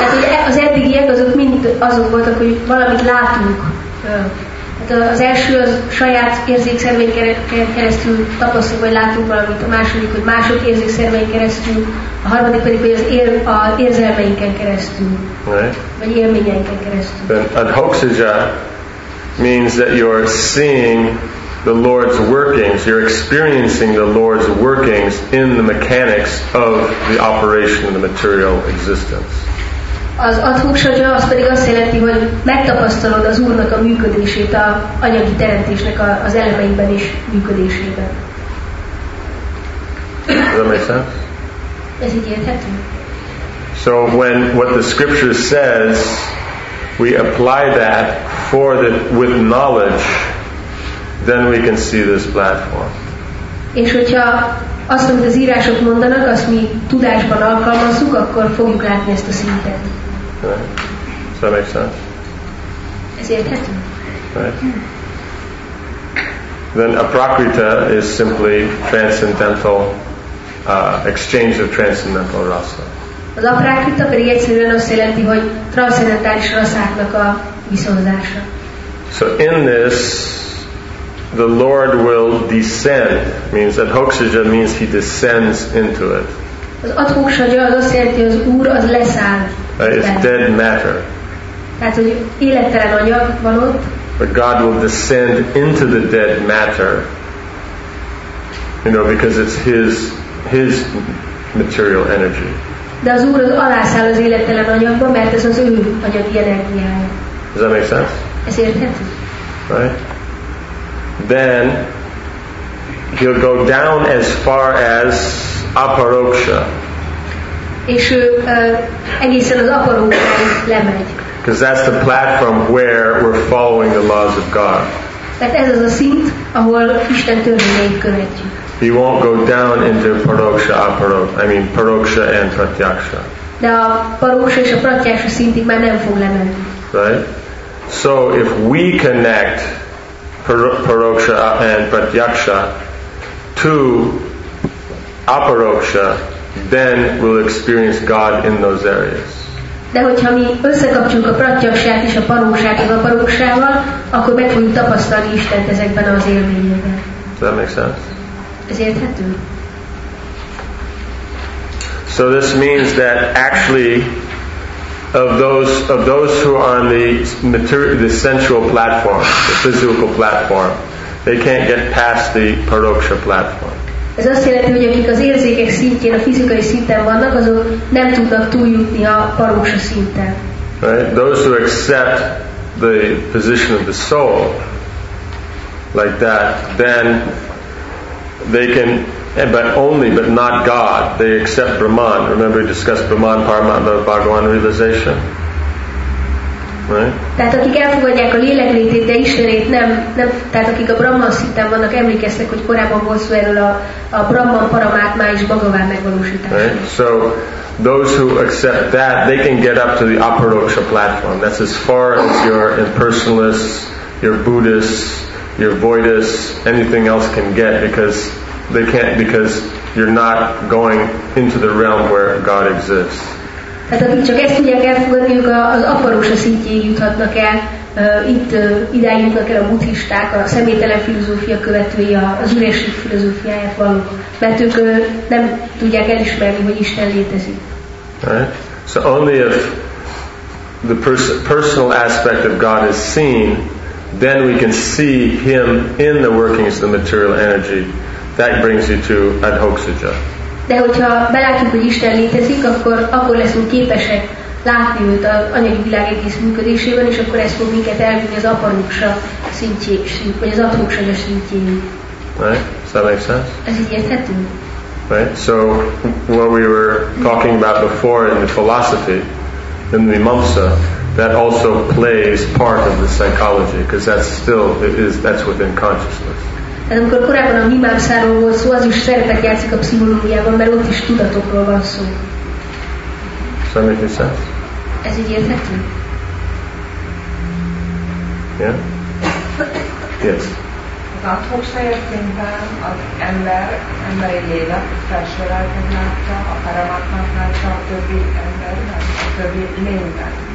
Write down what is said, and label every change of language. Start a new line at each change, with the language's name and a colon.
Hungarian: Tehát az eddigiek azok mind azok voltak, hogy valamit látunk. Hát az első az saját érzékszerveink keresztül tapasztaljuk, vagy látunk valamit, a második, hogy mások érzékszerveink keresztül, a harmadik pedig, hogy az érzelmeinken keresztül,
English: right.
Hungarian: Vagy élményeinken keresztül.
English: Then adhoksija means that you're seeing the Lord's workings, you're experiencing the Lord's workings in the mechanics of the operation of the material existence.
Hungarian: Az adhoksija az pedig azt jelenti, hogy megtapasztalod az Úrnak a működését, a anyagi teremtésnek az elemeiben is működésében.
English: Does that make sense?
Hungarian: Ez így érthető.
English: So when what the scripture says, we apply that for the with knowledge, then we can see this platform.
Hungarian: És hogyha azt, amit az írások mondanak, azt mi tudásban alkalmazzuk, akkor fogjuk látni ezt a szintet.
English: Right. Does that make sense?
Hungarian: Ez érthető.
English: Then aprakrita is simply transcendental exchange of transcendental rasa.
Hungarian: Az aprakrita pedig egyszerűen azt jelenti, hogy transzcendentális rasszáknak a viszonzása.
English: So in this, the Lord will descend. Means that adhoksija means he descends into it.
Hungarian: Az adhoksija az azt jelenti, az Úr az leszáll.
English: It's dead matter.
Hungarian: Tehát, hogy élettelen anyag van ott.
English: But God will descend into the dead matter, you know, because it's his material energy.
Hungarian: De az Úr alászáll az élettelen anyagba, mert ez az ő anyagi energiája.
English: Does that make sense?
Hungarian: Ez érthető?
English: Right. Then he'll go down as far as aparoksha.
Hungarian: És ő egészen az aparoksáig lemegy.
English: Because that's the platform where we're following the laws of God.
Hungarian: Tehát ez az a szint, ahol Isten törvényeit követjük.
English: He won't go down into paroksha and pratyaksha.
Hungarian: De a paroksha és a pratyaksha szintig már nem fog lemenni.
English: Right? So if we connect paroksha and pratyaksha to aparoksha, then we'll experience God in those areas.
Hungarian: De hogyha mi összekapcsoljuk a pratyakshát és a paroksát a paroksával, akkor meg fogjuk tapasztalni Istent ezekben az élményekben.
English: Does that make sense? So this means that actually of those who are on the material, the sensual platform, the physical platform, they can't get past the paroksha platform.
Hungarian: Ez azt jelenti, hogy akik az érzékek szintjén, a fizikai szinten vannak, azok nem tudnak túljutni a paroksha szinten.
English: Right? Those who accept the position of the soul like that, then they can, but not God. They accept Brahman. Remember, we discussed Brahman, Paramatma, Bhagavan realization, right?
Hungarian: Tehát akik elfogadják a lélek létét, de Istenét nem, tehát akik a Brahman szinten vannak, emlékeznek, hogy korábban volt szó erről a Brahman, Paramatma és Bhagavan megvalósítása.
English: Right? So those who accept that, they can get up to the aparoksha platform. That's as far as your impersonalists, your Buddhists, your voidus, anything else can get, because they can't, because you're not going into the realm where God exists.
Hungarian: Tehát akik csak ezt tudják elfogadni, ők az aparoksa szintjéig juthatnak el, itt idáig jutnak el a buddhisták, a személytelen filozófia követői, az üresség filozófiáját valók, mert ők nem tudják elismerni, hogy Isten létezik.
English: Right? So only if the personal aspect of God is seen, then we can see him in the workings of the material energy. That brings you to adhoksaja.
Hungarian: De hogyha belátjuk, hogy Isten létezik, akkor leszünk képesek látni őt az anyagi világ egész működésében, és akkor ez fog minket elvinni az aparoksa szintjé, vagy az adhoksaja szintjé.
English: Right? Does that make sense?
Hungarian: Ez így érthető?
English: Right? So, what we were talking about before in the philosophy, in the mimamsa, that also plays part of the psychology, because that's within consciousness.
Hungarian: And amikor korábban a mimamszáról volt szó, az is szerepet játszik a pszichológiában, mert ott is tudatokról van szó.
English: So that makes sense?
Hungarian: Ez így érthető?
English: Yeah? Yes.
Hungarian: Az adhoksa értényben az emberi lélek felső lelket látta, a paramatmát látta a többi emberben, a többi lényben.